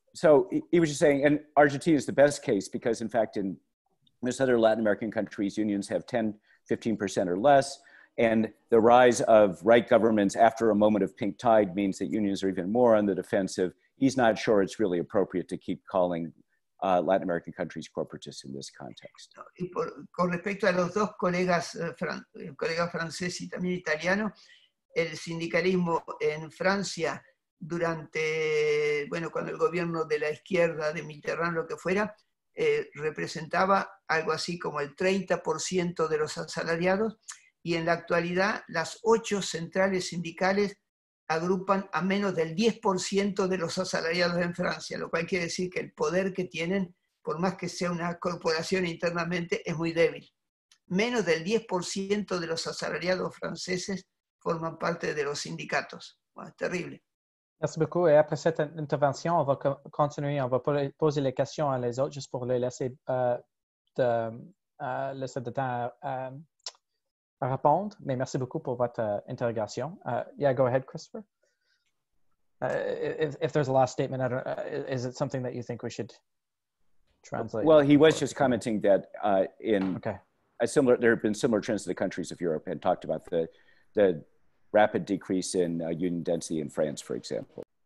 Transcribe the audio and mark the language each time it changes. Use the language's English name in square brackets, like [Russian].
[English] So he was just saying, and Argentina is the best case because, in fact, in most other Latin American countries, unions have 10-15% or less, and the rise of right governments after a moment of pink tide means that unions are even more on the defensive. He's not sure it's really appropriate to keep calling Latin American countries corporatists in this context. [Spanish] Con respecto a los dos colegas, colega francés y también italiano, el sindicalismo en Francia durante, bueno, cuando el gobierno de la izquierda, de Mitterrand, lo que fuera, representaba algo así como el 30% de los asalariados, y en la actualidad las 8 centrales sindicales agrupan a menos del 10% de los asalariados en Francia, lo cual quiere decir que el poder que tienen, por más que sea una corporación internamente, es muy débil. Menos del 10% de los asalariados franceses forman parte de los sindicatos. Bueno, es terrible. [French] Merci beaucoup. Et après cette intervention, on va continuer. On va poser les questions à les autres, juste pour les laisser laisser de temps à répondre. Mais merci beaucoup pour votre interrogation. [English] Yeah, go ahead, [French] Christopher. [English] If there's a last statement, is it something that you think we should translate? Well, he was just commenting that there have been similar trends in the countries of Europe and talked about the rapid decrease in union density in France, for example.